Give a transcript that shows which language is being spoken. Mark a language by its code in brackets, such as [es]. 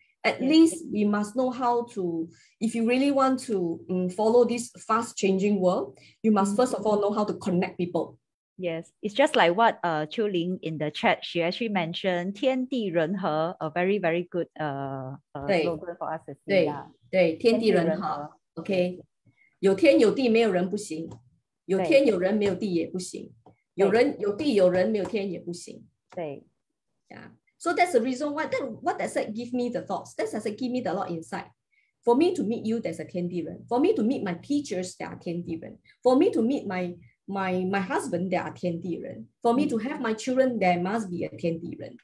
[en] At least we must know how to, if you really want to follow this fast changing world, you must first of all know how to connect people. Yes, it's just like what Chiu Ling in the chat, she actually mentioned 天地人和, a very, very good slogan for us. [zh] 对,天地人和, okay. 有天有地没有人不行, 有天有人没有地也不行, 有人有地有人没有天也不行. [en] Yeah. So that's the reason why, that, what does that give me the thoughts? That does give me the lot insight. For me to meet you, there's a 天地人. For me to meet my teachers, there are 天地人. For me to meet my husband, there are 天地人. For me to have my children, there must be a 天地人.